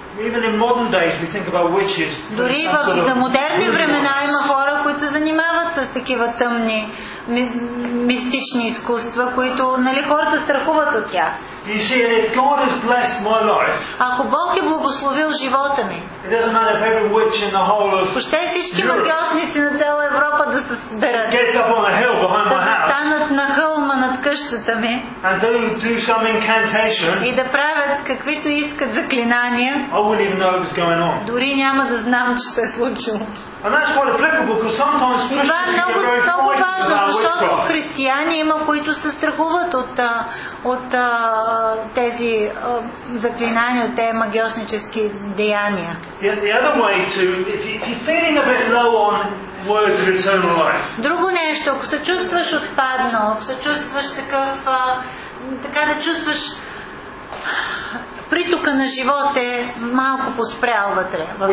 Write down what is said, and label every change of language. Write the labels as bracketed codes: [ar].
[en] Even in modern days we think about witches. [bg] Дори в модерни времена има хора, които се занимават с такива тъмни мистични изкуства, които, нали, хората страхуват от тях. [en] You see, if God has blessed my life. [bg] Ако Бог е благословил живота ми. [en] It doesn't matter if every witch in the whole of. [bg] Въобще всички магиосници на цяла Европа да се съберат. [en] Get up on a hill behind my house. [bg] Да станат на хълма над къщата ми. [en] And do some incantation. [bg] И да правят каквито искат заклинания. [en] I wouldn't even know what's going on. [bg] Дори няма да знам, че се е случило. [en] And that's quite applicable, because sometimes Christians get very frightened about witchcraft. [bg] Това е много важно, защото християни има, които се страхуват от тези заклинания, от тези магиоснически деяния. [en] The other way to, if you're feeling a bit low on words of eternal life. [bg] Друго нещо, ако се чувстваш отпадно, ако се чувстваш такъв, така да чувстваш притока на живот е малко поспрял вътре.